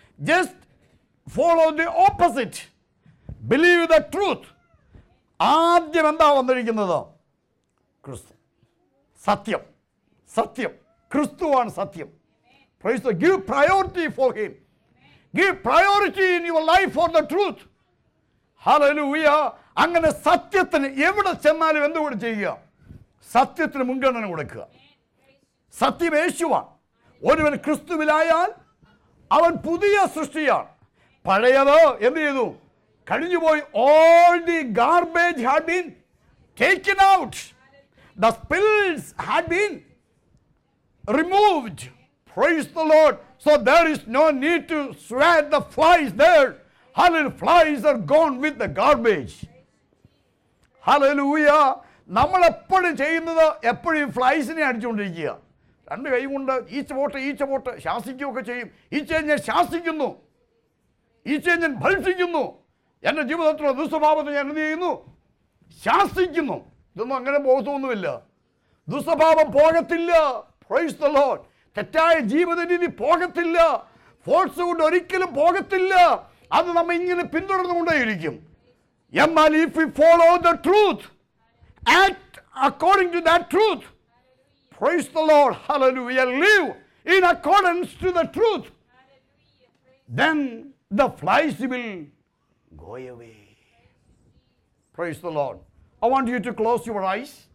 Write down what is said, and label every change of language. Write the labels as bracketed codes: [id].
[en] Just follow the opposite. Believe the truth. [ml] ആദ്യം എന്താ വന്നിരിക്കുന്നത്? ക്രിസ്തു. സത്യം, സത്യം. ക്രിസ്തുവാണ് സത്യം. [en] Praise the Lord. Give priority for him. Give priority in your life for the truth. Hallelujah. [ml] അങ്ങനെ സത്യത്തിന് എവിടെ ചെന്നാലും എന്ത് കൂടെ ചെയ്യുക? സത്യത്തിന് മുൻഗണന കൊടുക്കുക. സത്യം യേശുവാണ്. ഒരുവൻ ക്രിസ്തുവിലായാൽ അവൻ പുതിയ സൃഷ്ടിയാണ്. പഴയത് എന്ത് ചെയ്തു? കഴിഞ്ഞുപോയി. [en] All the garbage had been taken out. The spills had been removed. Praise the Lord. So there is no need to swear the flies there. Hallelujah. Flies are gone with the garbage. Hallelujah. [ml] നമ്മൾ എപ്പോഴും ചെയ്യുന്നത് എപ്പോഴും ഫ്ലൈസിനെ അടിച്ചുകൊണ്ടിരിക്കുക. രണ്ട് കൈ കൊണ്ട് ഈച്ച pot ശാസിക്കുകയൊക്കെ ചെയ്യും. ഈച്ച ഞാൻ ശാസിക്കുന്നു, ഈച്ച ഞാൻ ഭക്ഷിക്കുന്നു, എൻ്റെ ജീവിതത്തിലുള്ള ദുസ്വഭാവത്തെ ഞാൻ എന്ത് ചെയ്യുന്നു? ശാസിക്കുന്നു. ഇതൊന്നും അങ്ങനെ ബോധമൊന്നുമില്ല. ദുസ്വഭാവം പോകത്തില്ല. [en] Praise the Lord. [ml] തെറ്റായ ജീവിത രീതി പോകത്തില്ല. ഫോഴ്സ് കൊണ്ട് ഒരിക്കലും പോകത്തില്ല. അത് നമ്മൾ ഇങ്ങനെ പിന്തുടർന്നുകൊണ്ടേയിരിക്കും. എന്നാൽ [en] If you follow the truth, act according to that truth. Praise the Lord. Hallelujah. Live in accordance to the truth. Then the flies will go away. Praise the Lord. I want you to close your eyes.